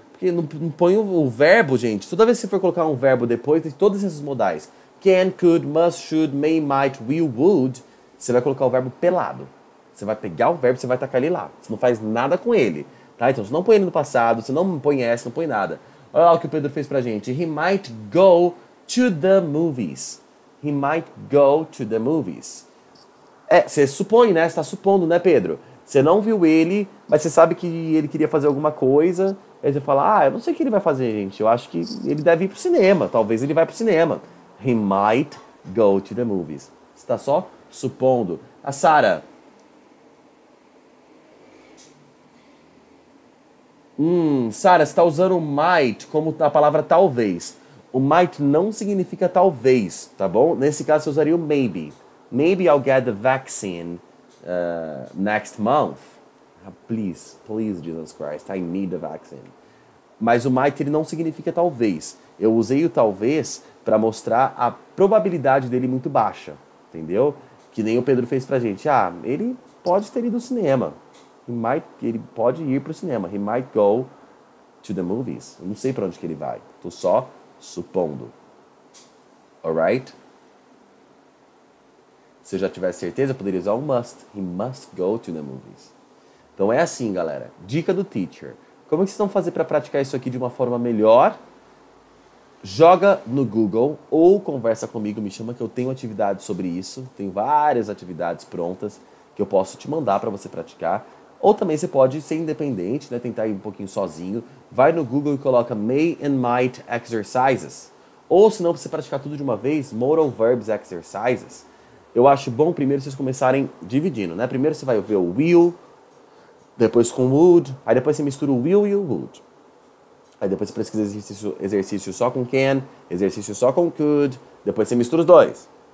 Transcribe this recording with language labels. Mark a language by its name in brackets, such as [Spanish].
[Portuguese] Porque não põe o verbo, gente. Toda vez que você for colocar um verbo depois, tem todos esses modais. [English] Can, could, must, should, may, might, will, would. [Portuguese] Você vai colocar o verbo pelado. Você vai pegar o verbo e você vai tacar ele lá. Você não faz nada com ele. Tá? Então você não põe ele no passado, você não põe essa, não põe nada. Olha lá o que o Pedro fez pra gente. [English] He might go to the movies. He might go to the movies. [Portuguese] É, você supõe, né? Você tá supondo, né, Pedro? Você não viu ele, mas você sabe que ele queria fazer alguma coisa. Aí você fala, ah, eu não sei o que ele vai fazer, gente. Eu acho que ele deve ir pro cinema. Talvez ele vá pro cinema. [English] He might go to the movies. [Portuguese] Você tá só supondo. A Sara. Sara, você tá usando o might como a palavra talvez. O might não significa talvez, tá bom? Nesse caso, você usaria o maybe. [English] Maybe I'll get the vaccine next month. Please, please, Jesus Christ, I need the vaccine. [Portuguese] Mas o might, ele não significa talvez. Eu usei o talvez para mostrar a probabilidade dele muito baixa, entendeu? Que nem o Pedro fez pra gente. Ah, ele pode ter ido ao cinema. Ele pode ir pro cinema. [English] He might go to the movies. [Portuguese] Eu não sei pra onde que ele vai. Tô só supondo. [English] Alright? [Portuguese] Se eu já tivesse certeza, eu poderia usar o must. [English] He must go to the movies. [Portuguese] Então é assim, galera. Dica do teacher. Como é que vocês vão fazer pra praticar isso aqui de uma forma melhor? Joga no Google ou conversa comigo. Me chama que eu tenho atividades sobre isso. Tenho várias atividades prontas que eu posso te mandar pra você praticar. Ou também você pode ser independente, né? Tentar ir um pouquinho sozinho. Vai no Google e coloca [English] May and Might Exercises. [Portuguese] Ou se não, pra você praticar tudo de uma vez, [English] Modal Verbs Exercises. [Portuguese] Eu acho bom primeiro vocês começarem dividindo, né? Primeiro você vai ver o will, depois com would, aí depois você mistura o will e o would. Aí depois você pesquisa exercício só com can, exercício só com could, depois você mistura os dois.